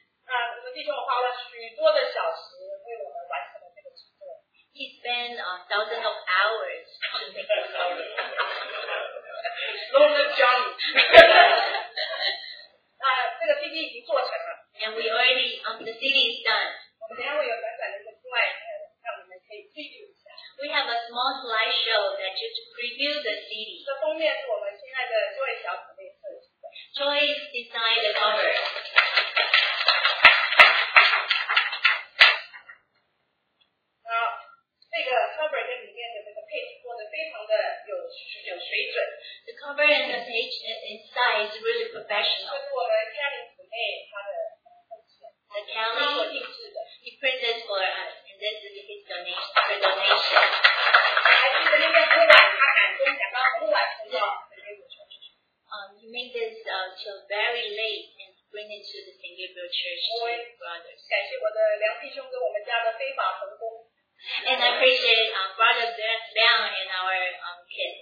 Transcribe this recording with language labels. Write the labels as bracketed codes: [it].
[zh] 那我们弟兄花了许多的小时为我们完成了这个制作。 [en] He spent thousands of hours to make the CD. Lord Johnny. [zh] 啊，这个 CD 已经做成了。 [en] And we already the CD is done. [zh] 我们待会有短短的一个 slide， 让你们可以记住。 [en] We have a small slideshow that just preview the CD. [zh] 这封面是我们亲爱的 Joy 小姊妹设计的。 [en] Joy designed the cover. [zh] 好，这个 cover 跟里面的这个配置做的非常的有水准。 [en] The cover and the page inside is really professional. [zh] 这是我们亲爱的姊妹她的奉献。 [en] The [zh] Kelly 定制的。 [en] He printed for us. This is his donation. He made this till very late and bring it to the St. Gabriel Church brothers. And I appreciate Brother Liang and our kids.